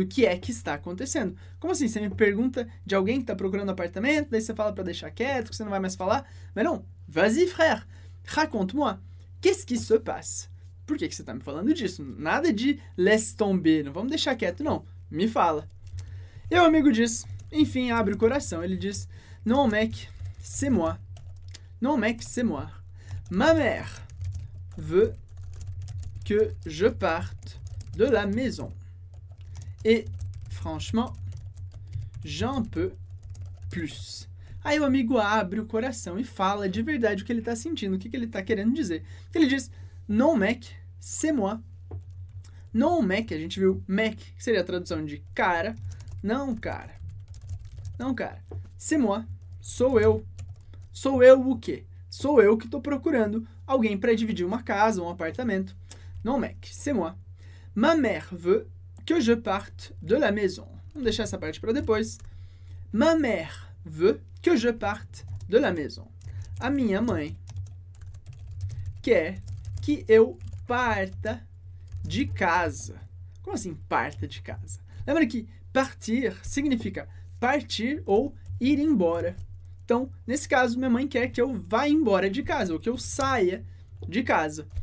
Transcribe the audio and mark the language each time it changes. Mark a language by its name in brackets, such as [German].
[Portuguese] O que é que está acontecendo? Como assim? Você me pergunta de alguém que está procurando apartamento, daí você fala para deixar quieto, que você não vai mais falar. [French] Mas não, vas-y, frère, raconte-moi. Qu'est-ce qui se passe? [Portuguese] Por que que você está me falando disso? Nada de [French] laisse tomber, [Portuguese] não vamos deixar quieto, não. Me fala. E o amigo diz, enfim, abre o coração. Ele diz, [French] non, mec, c'est moi. Non, mec, c'est moi. Ma mère veut que je parte de la maison. Et franchement, j'en peux plus. [Portuguese] Aí o amigo abre o coração e fala de verdade o que ele tá sentindo, o que ele tá querendo dizer. Ele diz, [French] non mec, c'est moi. Non mec, [Portuguese] a gente viu mec, que seria a tradução de cara. Não, cara. Não, cara. [French] C'est moi. [Portuguese] Sou eu. Sou eu o quê? Sou eu que tô procurando alguém para dividir uma casa, um apartamento. [French] Non mec, c'est moi. Ma mère veut que je parte de la maison. [Portuguese] Vamos deixar essa parte para depois. [French] Ma mère veut que je parte de la maison. [Portuguese] A minha mãe quer que eu parta de casa. Como assim parta de casa? Lembra que partir significa partir ou ir embora. Então, nesse caso, minha mãe quer que eu vá embora de casa, ou que eu saia de casa.